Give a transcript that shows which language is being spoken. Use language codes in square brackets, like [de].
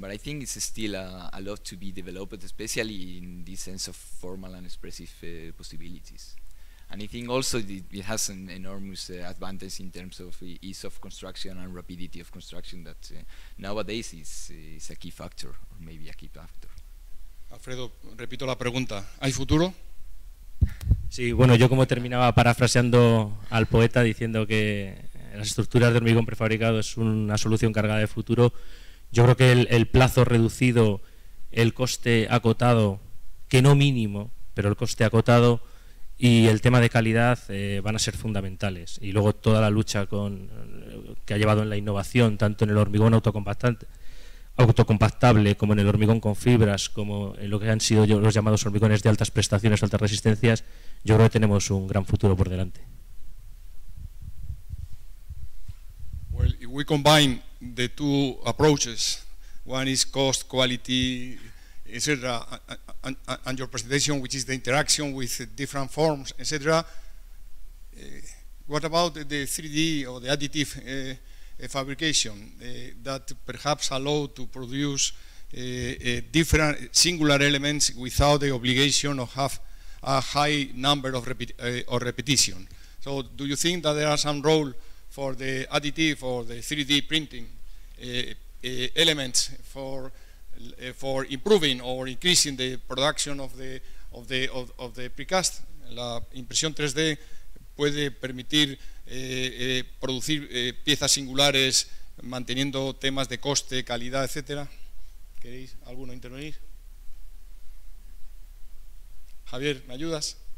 [en] But I think it's still a lot to be developed, especially in the sense of formal and expressive possibilities. And I think also it has an enormous advantage in terms of ease of construction and rapidity of construction that nowadays is a key factor, or maybe a key factor. [es] Alfredo, repito la pregunta. ¿Hay futuro? Sí, bueno, yo como terminaba parafraseando al poeta diciendo que las estructuras de hormigón prefabricado es una solución cargada de futuro, yo creo que el plazo reducido, el coste acotado, que no mínimo, pero el coste acotado, y el tema de calidad van a ser fundamentales. Y luego toda la lucha que ha llevado en la innovación, tanto en el hormigón autocompactable como en el hormigón con fibras, como en lo que han sido los llamados hormigones de altas prestaciones, altas resistencias, yo creo que tenemos un gran futuro por delante. [en] Well, if we combine the two approaches, one is cost, quality, etc., and your presentation, which is the interaction with different forms, etc. What about the 3D or the additive fabrication that perhaps allow to produce different singular elements without the obligation of have a high number of repetition? So do you think that there are some role for the additive or the 3D printing elements for improving or increasing the production of the precast? [es] La impresión 3D puede permitir producir piezas singulares manteniendo temas de coste, calidad, etcétera. ¿Queréis alguno intervenir? Javier, ¿me ayudas?